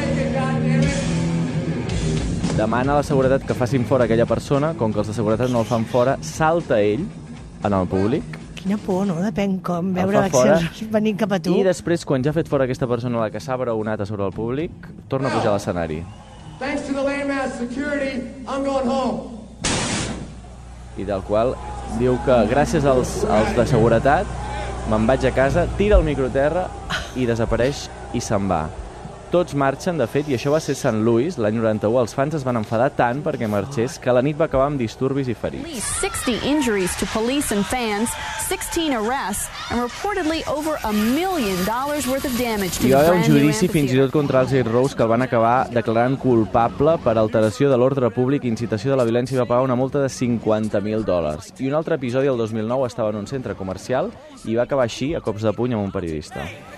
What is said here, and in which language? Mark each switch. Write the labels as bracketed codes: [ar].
[ca] Demana a la seguretat que facin fora aquella persona, com que els de seguretat no el fan fora, salta ell en el públic. Quina por, no? Depèn com veure l'acció venint cap a tu. I després, quan ja ha fet fora aquesta persona la que s'ha braonat a sobre el públic, torna a pujar a l'escenari. [en] Thanks to the lame ass security, I'm going home. [ca] I del qual diu que gràcies als de seguretat me'n vaig a casa, tira el micro a terra i desapareix i se'n va. Tots marxen, de fet, i això va ser St. Louis, l'any 91. Els fans es van enfadar tant perquè marxés que la nit va acabar amb disturbis i ferits. [en] At least 60 injuries to police and fans, 16 arrests, and reportedly over $1 million worth of damage to the brand new amphitheater. [ca] Hi va haver un judici fins i tot contra els Axl Rose que el van acabar declarant culpable per alteració de l'ordre públic i incitació de la violència i va pagar una multa de $50,000. I un altre episodi, el 2009, estava en un centre comercial i va acabar així, a cops de puny, amb un periodista.